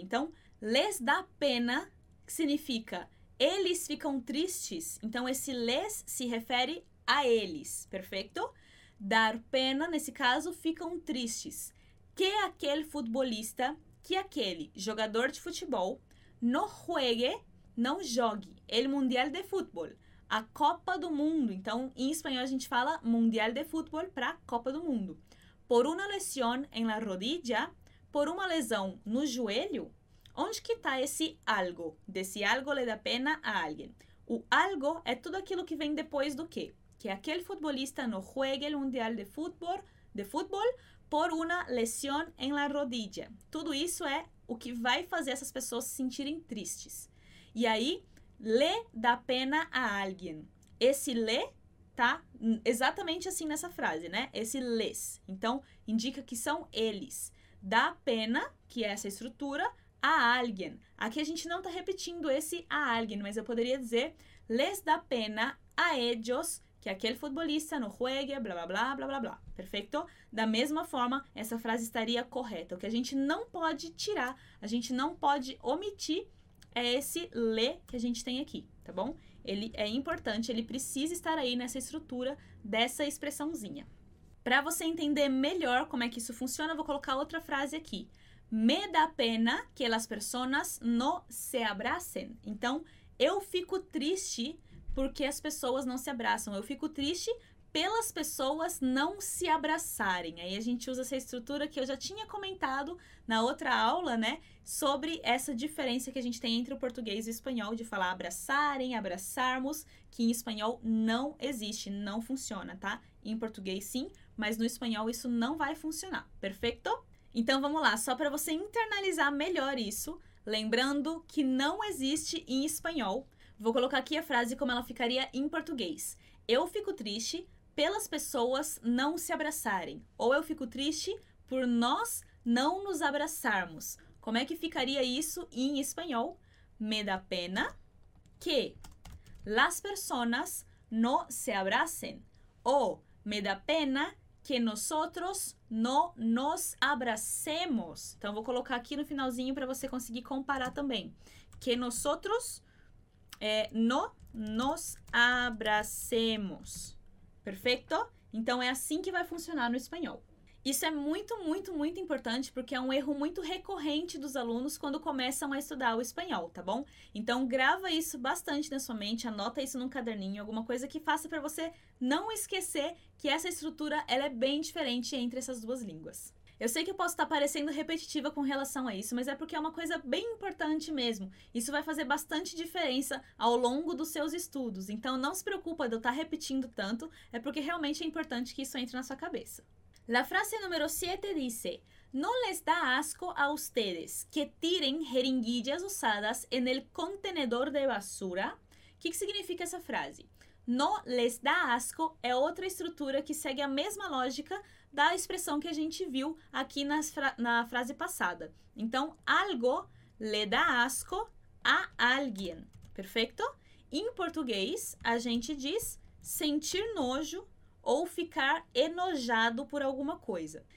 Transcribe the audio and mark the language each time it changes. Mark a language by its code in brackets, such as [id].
[pt] Então, [es] les da pena [pt] significa eles ficam tristes. Então, esse les se refere a eles, perfeito? Dar pena, nesse caso, ficam tristes. Que aquele futebolista, que aquele jogador de futebol, [es] no juegue, [pt] não jogue. [es] El Mundial de Fútbol, [pt] a Copa do Mundo. Então, em espanhol, a gente fala Mundial de Fútbol para Copa do Mundo. [es] Por una lesión en la rodilla, [pt] por uma lesão no joelho, onde que está esse algo? Desse algo le da pena a alguém. O algo é tudo aquilo que vem depois do quê? Que aquele futbolista não [es] juegue el Mundial de Fútbol por una lesión en la rodilla. [pt] Tudo isso é o que vai fazer essas pessoas se sentirem tristes. E aí, [es] le da pena a alguien. [pt] Esse le tá exatamente assim nessa frase, né? Esse les. Então, indica que são eles. Da pena, que é essa estrutura, a alguien. Aqui a gente não tá repetindo esse a alguien, mas eu poderia dizer [es] les da pena a ellos [pt] que aquele futbolista [es] no juegue, [pt] blá, blá, blá, blá, blá, blá. Perfeito? Da mesma forma, essa frase estaria correta. O que a gente não pode tirar, a gente não pode omitir, é esse le que a gente tem aqui, tá bom? Ele é importante, ele precisa estar aí nessa estrutura dessa expressãozinha. Para você entender melhor como é que isso funciona, eu vou colocar outra frase aqui. [es] Me da pena que las personas no se abracen. [pt] Então, eu fico triste porque as pessoas não se abraçam. Eu fico triste pelas pessoas não se abraçarem. Aí a gente usa essa estrutura que eu já tinha comentado na outra aula, né? Sobre essa diferença que a gente tem entre o português e o espanhol, de falar abraçarem, abraçarmos, que em espanhol não existe, não funciona, tá? Em português sim, mas no espanhol isso não vai funcionar. Perfeito? Então vamos lá, só para você internalizar melhor isso, lembrando que não existe em espanhol. Vou colocar aqui a frase como ela ficaria em português. Eu fico triste pelas pessoas não se abraçarem. Ou eu fico triste por nós não nos abraçarmos. Como é que ficaria isso em espanhol? [es] Me da pena que las personas no se abracen. Ou me da pena que nosotros no nos abracemos. [pt] Então, vou colocar aqui no finalzinho para você conseguir comparar também. [es] Que nosotros no nos abracemos. [pt] Perfeito? Então, é assim que vai funcionar no espanhol. Isso é muito, muito, muito importante porque é um erro muito recorrente dos alunos quando começam a estudar o espanhol, tá bom? Então, grava isso bastante na sua mente, anota isso num caderninho, alguma coisa que faça para você não esquecer que essa estrutura ela é bem diferente entre essas duas línguas. Eu sei que eu posso estar parecendo repetitiva com relação a isso, mas é porque é uma coisa bem importante mesmo. Isso vai fazer bastante diferença ao longo dos seus estudos. Então, não se preocupa de eu estar repetindo tanto, é porque realmente é importante que isso entre na sua cabeça. [es] La frase número 7 dice: ¿No les da asco a ustedes que tiren jeringuillas usadas en el contenedor de basura? [pt] O que significa essa frase? [es] No les da asco [pt] é outra estrutura que segue a mesma lógica da expressão que a gente viu aqui na frase passada. Então, [es] algo le da asco a alguien. [pt] Perfeito? Em português, a gente diz sentir nojo ou ficar enojado por alguma coisa.